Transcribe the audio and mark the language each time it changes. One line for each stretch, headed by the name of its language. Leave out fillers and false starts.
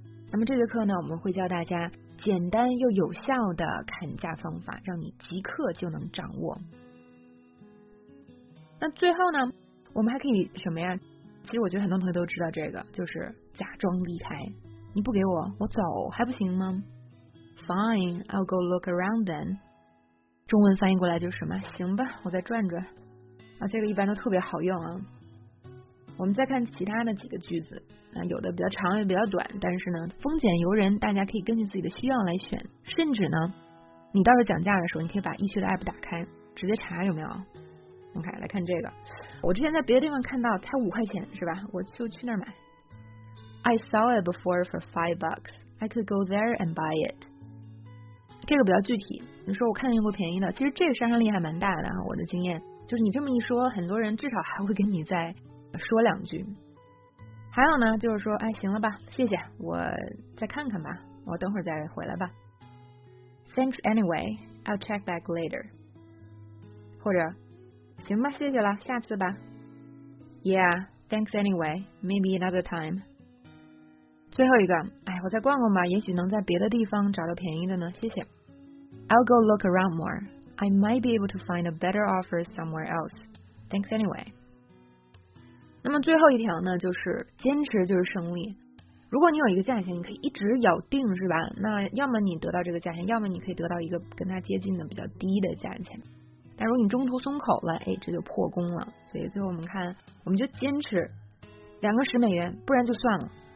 Chinese: 那么这节课呢，我们会教大家简单又有效的砍价方法，让你即刻就能掌握。那最后呢，我们还可以什么呀？其实我觉得很多同学都知道这个，就是假装离开。你不给我，我走还不行吗？
English: Fine, I'll go look around then。
Chinese: 中文翻译过来就是什么？行吧，我再转转。啊，这个一般都特别好用啊。我们再看其他的几个句子，啊，有的比较长，有的比较短，但是呢，丰俭由人，大家可以根据自己的需要来选。甚至呢，你到时候讲价的时候，你可以把易趣的 app 打开，直接查有没有。OK， 来看这个。我之前在别的地方看到，才5块钱是吧？我就去那儿买。
English: I saw it before for $5. I could go there and buy it.
Chinese: 这个比较具体，你说我看见过便宜的，其实这个杀伤力还蛮大的啊。我的经验就是，你这么一说，很多人至少还会跟你再说两句。还有呢，就是说，哎，行了吧，谢谢，我再看看吧，我等会儿再回来吧。
English: Thanks anyway, I'll check back later.
Chinese: 或者，行吧，谢谢了，下次吧。
English: Yeah, thanks anyway, maybe another time.
Chinese: 最后一个，哎，我再逛逛吧，也许能在别的地方找到便宜的呢。谢谢。
English: I'll go look around more. I might be able to find a better offer somewhere else. Thanks anyway.
Chinese: 那么最后一条呢，就是坚持就是胜利。如果你有一个价钱，你可以一直咬定是吧？那要么你得到这个价钱，要么你可以得到一个跟它接近的比较低的价钱。但如果你中途松口了，哎，这就破功了。所以最后我们看，我们就坚持2个10美元，不然就算了。